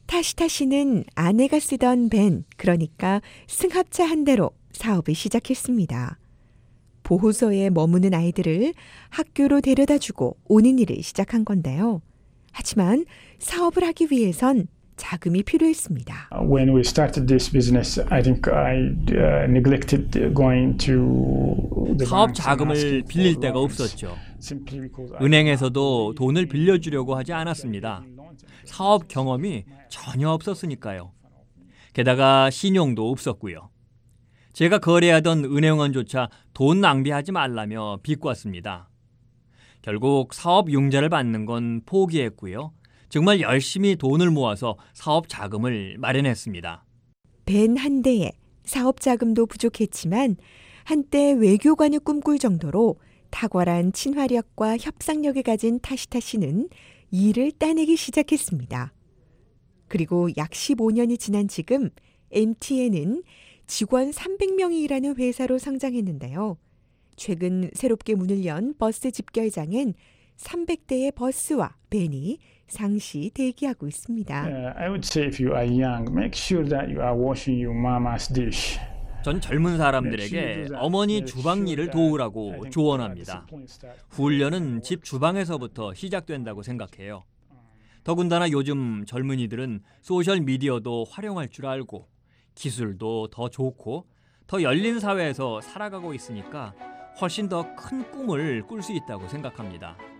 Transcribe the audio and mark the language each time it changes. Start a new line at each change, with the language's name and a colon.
Korean: 타시타시는 아내가 쓰던 밴, 그러니까 승합차 한 대로 사업을 시작했습니다. 보호소에 머무는 아이들을 학교로 데려다주고 오는 일을 시작한 건데요. 하지만 사업을 하기 위해선 자금이 필요했습니다.
English: When we started this business, I think I neglected going to the
Korean: 사업 자금을 빌릴 데가 없었죠. 은행에서도 돈을 빌려주려고 하지 않았습니다. 사업 경험이 전혀 없었으니까요. 게다가 신용도 없었고요. 제가 거래하던 은행원조차 돈 낭비하지 말라며 비꼬았습니다. 결국 사업 융자를 받는 건 포기했고요. 정말 열심히 돈을 모아서 사업 자금을 마련했습니다. 벤 한 대에 사업 자금도 부족했지만 한때 외교관을 꿈꿀 정도로 탁월한 친화력과 협상력을 가진 타시타 씨는 일을 따내기 시작했습니다. 그리고 약 15년이 지난 지금 MTN은 직원 300명이 일하는 회사로 성장했는데요. 최근 새롭게 문을 연 버스 집결장엔 300대의 버스와 벤이 상시 대기하고 있습니다.
English: I would say if you are young, make sure that you are washing your mama's dish.
Korean: 전 젊은 사람들에게 어머니 주방일을 도우라고 조언합니다. 훈련은 집 주방에서부터 시작된다고 생각해요. 더군다나 요즘 젊은이들은 소셜미디어도 활용할 줄 알고 기술도 더 좋고 더 열린 사회에서 살아가고 있으니까 훨씬 더 큰 꿈을 꿀 수 있다고 생각합니다.